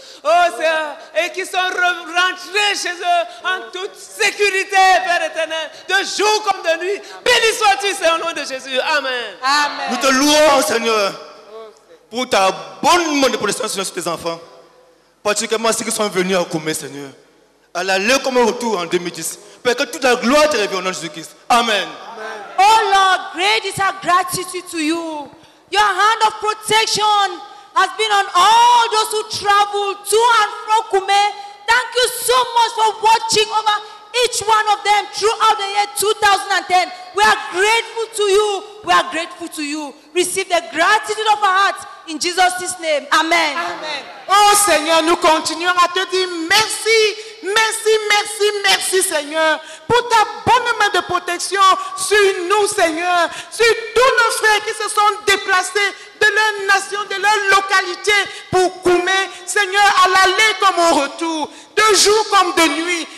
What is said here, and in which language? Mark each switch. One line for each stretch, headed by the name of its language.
French: Oh Seigneur, et qui sont rentrés chez eux en toute sécurité, Père éternel, de jour comme de nuit. Béni sois-tu, Seigneur, au nom de Jésus. Amen. Amen. Nous te louons, Seigneur, pour ta bonne main de protection, Seigneur, sur tes enfants, particulièrement ceux qui sont venus à Koumé, Seigneur, à l'aller comme un retour en 2010. Père, que toute la gloire te revienne au nom de Jésus-Christ. Amen.
English: Oh Lord, great is our gratitude to you. Your hand of protection has been on all those who travel to and fro Kume. Thank you so much for watching over each one of them throughout the year 2010. We are grateful to you. We are grateful to you. Receive the gratitude of our hearts in Jesus' name. Amen. Amen.
French: Oh Seigneur, nous continuons à te dire merci, merci, merci, merci Seigneur pour ta bonne main de protection sur nous Seigneur, sur tous nos frères qui se sont déplacés de leur nation, de leur localité pour Koumé, Seigneur, à l'aller comme au retour, de jour comme de nuit.